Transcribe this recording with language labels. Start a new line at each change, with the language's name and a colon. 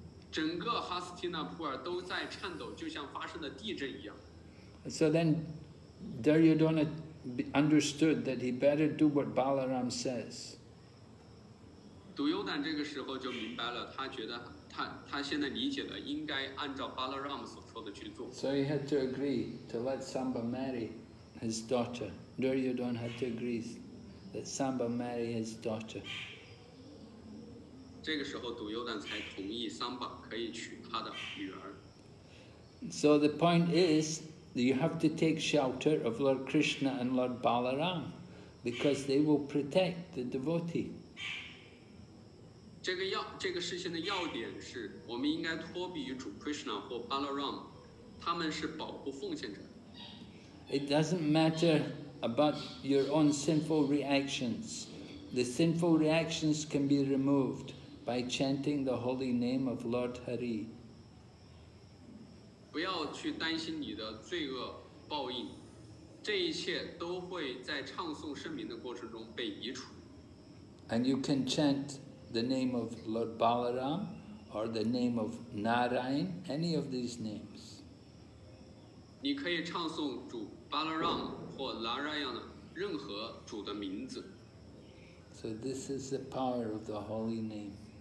Chinese: 整个哈斯提纳普尔都在颤抖，就像发生了地震一样。
English: So then, Duryodhana understood that he better do what Balaram says.
Chinese: 杜尤旦这个时候就明白了，他觉得 他现在理解了，应该按照巴拉拉姆所说的去做。
English: So he had to agree to let Samba marry his daughter. Duryodhana had to agree that Samba marry his daughter.
Chinese: 这个时候杜尤旦才同意桑巴可以娶他的女儿。
English: So the point is, you have to take shelter of Lord Krishna and Lord Balaram, because they will protect the devotee.
Chinese: 这个事情的要点是我们应该托庇于主 Krishna 或 Balaram， 他们是保护奉献者。
English: It doesn't matter about your own sinful reactions. The sinful reactions can be removed by chanting the holy name of Lord Hari.
Chinese: 不要去担心你的罪恶报应，这一切都会在唱诵圣名的过程中被移除。
English: And you can chant. The name of Lord Balaram, or the name of Narayan, any of these names.
Chinese: 你可以唱诵主 Balaram 或 Narayan 任何主的名字。
English: So this is the power of the holy name.